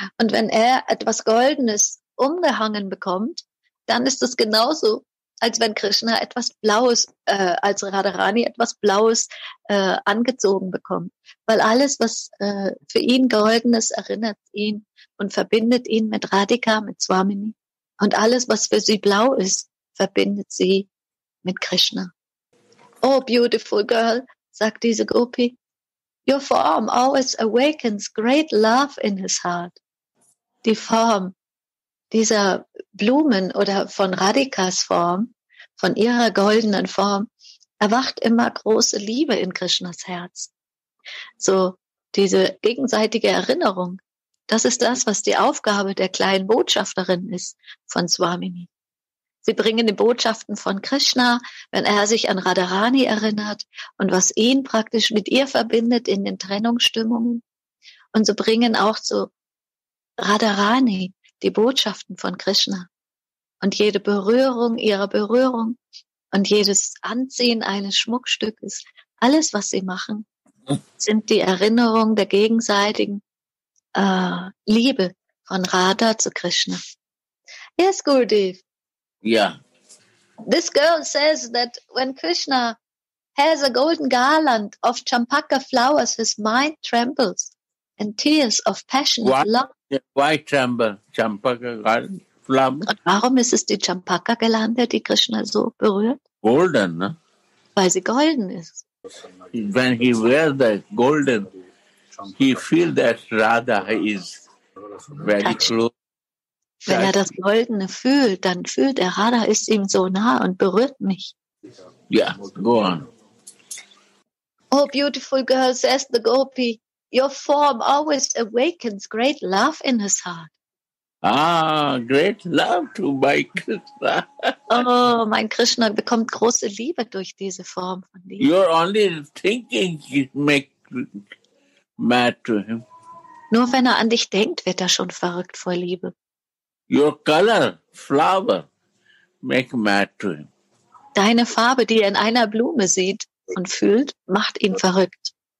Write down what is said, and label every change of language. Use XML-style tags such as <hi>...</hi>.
<de>Und wenn er etwas Goldenes umgehangen bekommt, dann ist es genauso, als wenn Krishna etwas Blaues, als Radharani etwas Blaues angezogen bekommt. Weil alles, was für ihn Goldenes, erinnert ihn und verbindet ihn mit Radhika, mit Swamini. Und alles, was für sie blau ist, verbindet sie mit Krishna.</de> <en>Oh, beautiful girl,</en> <de>sagt diese</de> <en>Gopi. Your form always awakens great love in his heart.</en> <de>Die Form dieser Blumen oder von Radhikas Form, von ihrer goldenen Form, erwacht immer große Liebe in Krishnas Herz. So, diese gegenseitige Erinnerung, das ist das, was die Aufgabe der kleinen Botschafterin ist von Swamini. Sie bringen die Botschaften von Krishna, wenn er sich an Radharani erinnert und was ihn praktisch mit ihr verbindet in den Trennungsstimmungen. Und sie bringen auch zu Radharani die Botschaften von Krishna. Und jede Berührung ihrer Berührung und jedes Anziehen eines Schmuckstückes, alles, was sie machen, sind die Erinnerungen der gegenseitigen Liebe von Radha zu Krishna.</de> <en>Yes, Gurudev. Yeah. This girl says that when Krishna has a golden garland of champaka flowers, his mind trembles and tears of passion and love. Why tremble? Champaka garland, flowers.</en> <de>Und warum ist es die champaka Girlande, die Krishna so berührt? Golden, ne? Weil sie golden ist.</de> <en>When he wears the golden, he feels that Radha is very close.</en> <de>Wenn er das Goldene fühlt, dann fühlt er, Radha ist ihm so nah und berührt mich.</de> <en>Yeah, go on. Oh, beautiful girl, says the Gopi, your form always awakens great love in his heart. Ah, great love to my Krishna.</en> <de>Oh, mein Krishna bekommt große Liebe durch diese Form von Liebe.</de> <en>You're only thinking you make mad to him.</en> <de>Nur wenn er an dich denkt, wird er schon verrückt vor Liebe.</de> <en>Your color, flower, make mad to him.</en> <de>Deine Farbe, die er in einer Blume sieht und fühlt, macht ihn verrückt.</de>